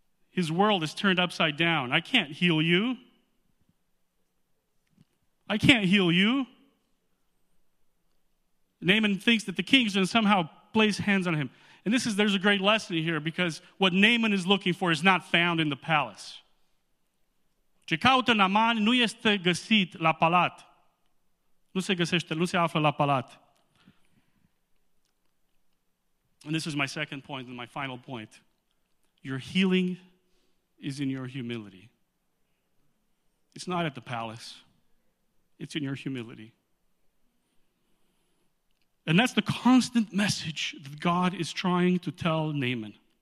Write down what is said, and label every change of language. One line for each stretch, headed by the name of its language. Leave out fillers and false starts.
English: His world is turned upside down. I can't heal you. I can't heal you. Naaman thinks that the king is going to somehow place hands on him. And there's a great lesson here, because what Naaman is looking for is not found in the palace.
Romanian: Ce caută Naaman nu este găsit la palat. Nu se găsește, nu se află la palat.
English: And this is my second point and my final point. Your healing is in your humility. It's not at the palace. It's in your humility. And that's the constant message that God is trying to tell Naaman.